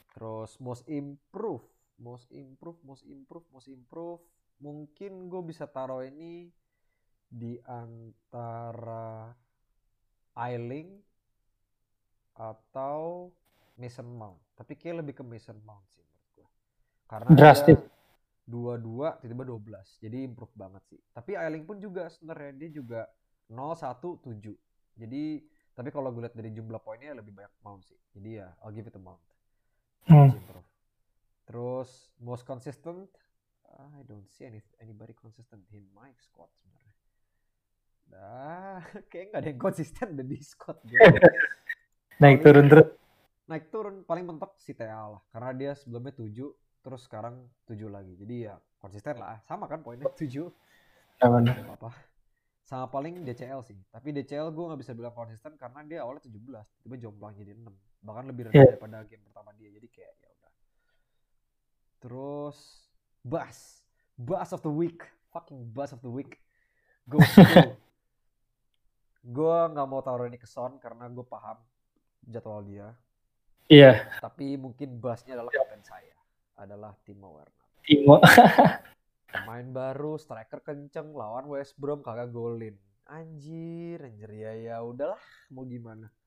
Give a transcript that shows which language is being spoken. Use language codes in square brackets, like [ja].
[id] Terus [en] most improve, most improve, most improve, most improve. [id] Mungkin gue bisa taruh ini di antara Ailing atau Mason Mount. Tapi kayak lebih ke Mason Mount sih. Karena dia Drastik. 2-2 tiba-tiba 12. Jadi improve banget sih. Tapi Ailing pun juga sebenarnya dia juga 0-1-7. Jadi tapi kalau gue lihat dari jumlah poinnya lebih banyak Mount sih. Jadi ya [en] I'll give it a Mount. [id] Masih improve. Terus [en] most consistent, I don't see anybody consistent in my squad [id] sebenarnya. Nah, kayaknya nggak ada yang konsisten di squad gue. Naik Paling turun terus. naik turun, paling mentok si TA lah. Karena dia sebelumnya 7, terus sekarang 7 lagi. Jadi ya konsisten lah. Sama kan poinnya 7. Benar. Gak apa-apa. Sama paling DCL sih. Tapi DCL gue nggak bisa bilang konsisten karena dia awalnya 17. Tiba-tiba jomplang jadi 6. Bahkan lebih rendah daripada game pertama dia. Jadi kayak ya udah. Terus [en] Bas, Bas of the week, fucking Bas of the week, [id] Gokil. Gue nggak mau taruh ini ke Son karena gue paham jadwal dia. Iya. Tapi mungkin Basnya adalah kapten saya, adalah Timo Werner. Timo. Pemain baru, striker kenceng, lawan West Brom kagak golin. Anjir, anjir ya ya udahlah, mau gimana?